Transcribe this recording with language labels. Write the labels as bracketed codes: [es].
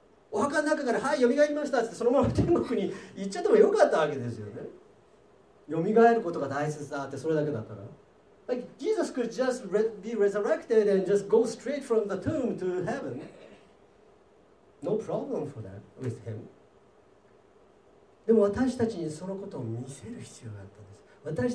[ja] お墓の中から、はい、蘇りましたってそのまま天国に行っちゃってもよかったわけですよね。蘇ることが大切だって、それだけだったら。 [en] Like, Jesus could just be resurrected and just go straight from the tomb to heaven. No problem for that with him. [ja] でも私たちにそのことを見せる必要があったんです。